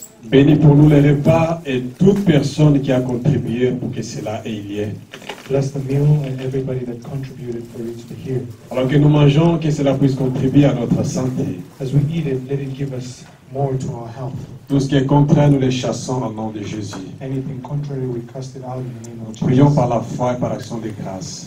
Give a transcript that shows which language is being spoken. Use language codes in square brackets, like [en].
[fr] Bénis pour nous les repas et toute personne qui a contribué pour que cela ait lieu. [en] Bless the meal and everybody that contributed for it to be here. [fr] Alors que nous mangeons, que cela puisse contribuer à notre santé. [en] As we eat it, let it give us more to our health. [fr] Tout ce qui est contraire, nous les chassons au nom de Jésus. [en] Anything contrary, we cast it out in the name of Jesus. [fr] Prions par la foi et par l'action de grâce.